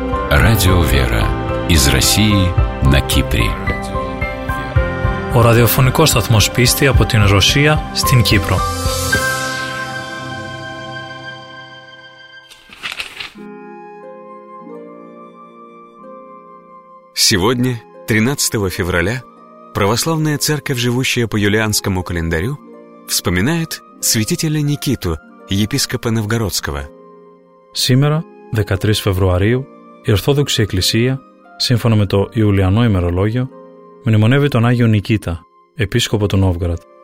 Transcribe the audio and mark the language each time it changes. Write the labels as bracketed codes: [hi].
[ru] Радио «Вера» из России на Кипре. [el] Ο ραδιοφωνικός σταθμός πίστη από την Ρωσία στην Κύπρο. [ru] Сегодня, 13 февраля, православная церковь, живущая по юлианскому календарю, вспоминает святителя Никиту, епископа Новгородского. Сегодня, 13 февраля, [el] η Ορθόδοξη Εκκλησία, σύμφωνα με το Ιουλιανό ημερολόγιο, μνημονεύει τον Άγιο Νικήτα, επίσκοπο του Νόβγαρντ.